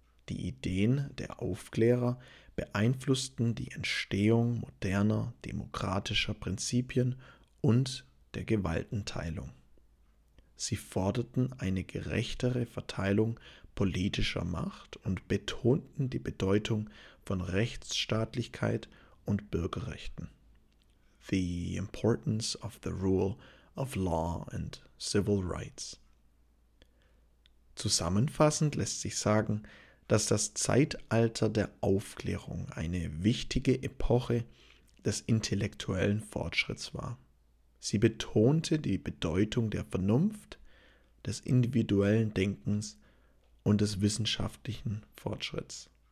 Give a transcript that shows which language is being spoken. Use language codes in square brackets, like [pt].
[de] Die Ideen der Aufklärer beeinflussten die Entstehung moderner demokratischer Prinzipien und der Gewaltenteilung. Sie forderten eine gerechtere Verteilung politischer Macht und betonten die Bedeutung von Rechtsstaatlichkeit und Bürgerrechten. [en] The importance of the rule of law and civil rights. [de] Zusammenfassend lässt sich sagen, dass das Zeitalter der Aufklärung eine wichtige Epoche des intellektuellen Fortschritts war. Sie betonte die Bedeutung der Vernunft, des individuellen Denkens und des wissenschaftlichen Fortschritts.